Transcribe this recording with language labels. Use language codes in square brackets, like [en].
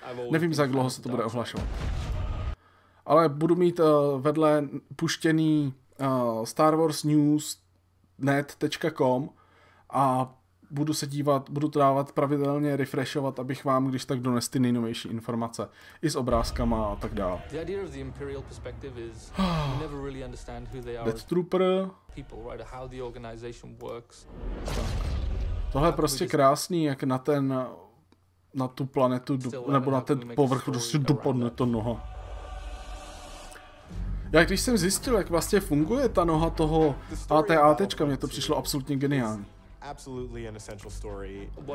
[cs] Nevím, za jak dlouho se to bude ohlašovat. Ale budu mít vedle puštěný StarWarsNews.net.com a budu se dívat, budu to dávat pravidelně, refreshovat, abych vám když tak donesl ty nejnovější informace i s obrázkama a tak dále. [en] The idea of the Imperial perspective is you never really understand who they are. Death Trooper. People, right? How the organization works. [cs] Tohle je prostě krásný, jak na ten, na tu planetu, nebo na ten povrch, prostě dopadne to noha. Já když jsem zjistil, jak vlastně funguje ta noha toho AT-ATčka, mně to přišlo absolutně geniální. [en] Absolutely an essential story.